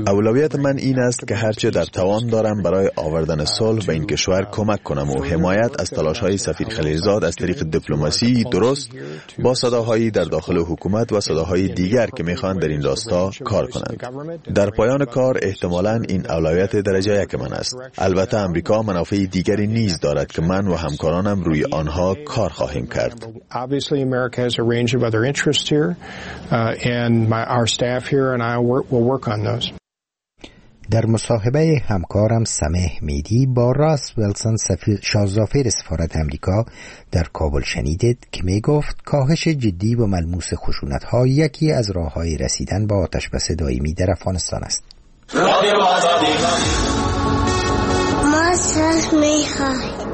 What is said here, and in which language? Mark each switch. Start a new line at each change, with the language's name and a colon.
Persian: اولویت من این است که هر چه در توان دارم برای آوردن صلح به این کشور کمک کنم و حمایت از تلاش‌های سفیر خلیلزاد از طریق دیپلماسی درست با صداهایی در داخل حکومت و صداهای دیگر که می‌خواهند در این راستا کار کنند. در پایان کار احتمالاً این اولویت درجه یک من است. البته آمریکا منافع دیگری نیز دارد که من و همکارانم روی آنها کار خواهیم کرد.
English: Obviously America has a range of other interests here and our staff here and I will work on those.
Persian: در مصاحبه همکارم سمح میدی با راس ویلسون سفیر شازافیر سفارت آمریکا در کابل شنیدید که می گفت کاهش جدی و ملموس خشونت ها یکی از راه های رسیدن به آتش بس دائمی در افغانستان است. ما صلح می خواهیم.